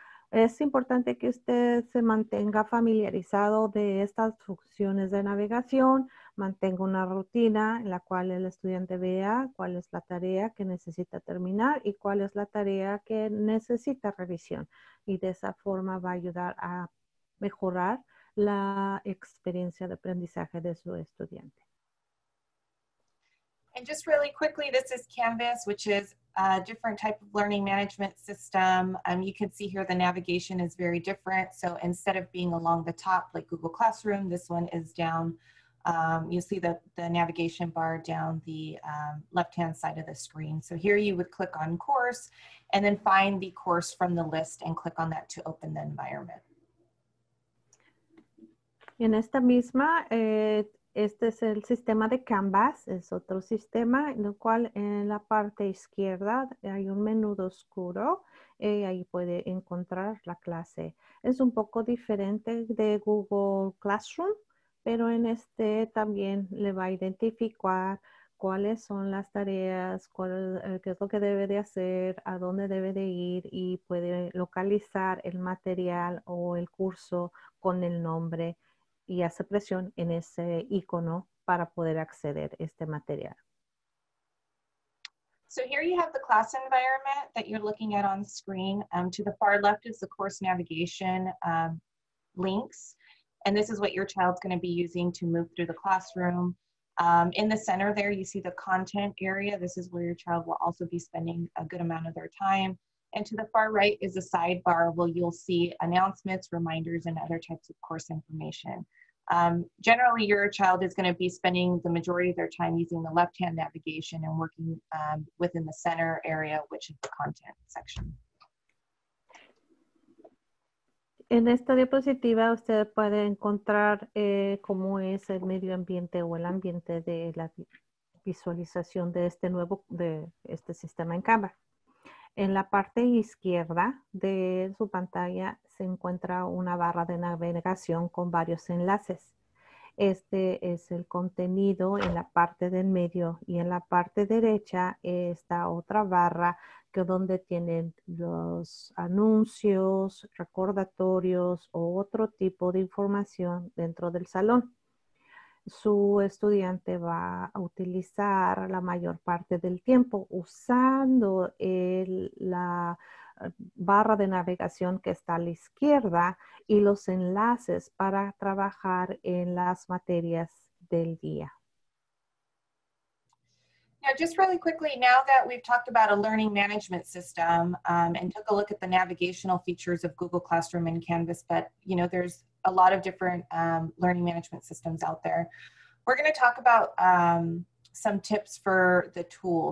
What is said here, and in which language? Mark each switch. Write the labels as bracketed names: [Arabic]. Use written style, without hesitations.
[Spanish] Es importante que usted se mantenga familiarizado de estas funciones de navegación, mantenga una rutina en la cual el estudiante vea cuál es la tarea que necesita terminar y cuál es la tarea que necesita revisión. Y de esa forma va a ayudar a mejorar la experiencia de aprendizaje de su estudiante. [English] And just really quickly, this is Canvas, which is a different type of learning management system. You can see here the navigation is very different. So instead of being along the top like Google Classroom, this one is down. You see the navigation bar down the left-hand side of the screen. So here you would click on course and then find the course from the list and click on that to open the environment. [Spanish] En esta misma, este es el sistema de Canvas, es otro sistema en el cual en la parte izquierda hay un menú oscuro y ahí puede encontrar la clase. Es un poco diferente de Google Classroom, pero en este también le va a identificar cuáles son las tareas, qué es lo que debe de hacer, a dónde debe de ir y puede localizar el material o el curso con el nombre y hace presión en ese icono para poder acceder a este material. [English] So here you have the class environment that you're looking at on screen. To the far left is the course navigation links. And this is what your child's going to be using to move through the classroom. In the center there, you see the content area. This is where your child will also be spending a good amount of their time. And to the far right is a sidebar where you'll see announcements, reminders, and other types of course information. Generally, your child is going to be spending the majority of their time using the left-hand navigation and working within the center area, which is the content section. [Spanish] En esta diapositiva usted puede encontrar cómo es el medio ambiente o el ambiente de la visualización de este nuevo de este sistema en Canva. En la parte izquierda de su pantalla se encuentra una barra de navegación con varios enlaces. Este es el contenido en la parte del medio y en la parte derecha está otra barra que donde tienen los anuncios, recordatorios o otro tipo de información dentro del salón. Su estudiante va a utilizar la mayor parte del tiempo usando la barra de navegación que está a la izquierda y los enlaces para trabajar en las materias del día. [English] Now, just really quickly, now that we've talked about a learning management system and took a look at the navigational features of Google Classroom and Canvas, but you know, there's a lot of different learning management systems out there. We're going to talk about some tips for the tool.